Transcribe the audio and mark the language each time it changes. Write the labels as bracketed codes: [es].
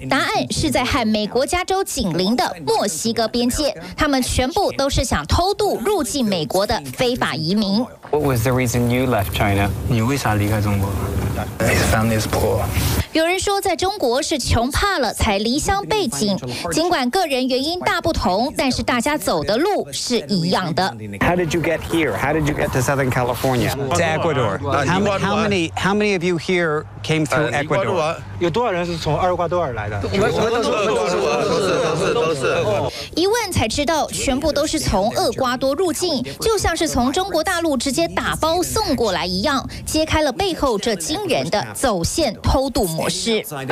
[zh] 答案是在和美国加州紧邻的墨西哥边界，他们全部都是想偷渡入境美国的非法移民。 [en] What was the reason you left China? [zh] 你为啥离开中国？ [en] His family is poor. [zh] 有人说在中国是穷怕了才离乡背井，尽管个人原因大不同，但是大家走的路是一样的。 [en] How did you get here? How did you get to Southern California? To Ecuador. How many of you here came through Ecuador? [zh] 有多少人是从厄瓜多尔来的？都是。一问才知道，全部都是从厄瓜多入境，就像是从中国大陆直接打包送过来一样，揭开了背后这惊人的走线偷渡模式。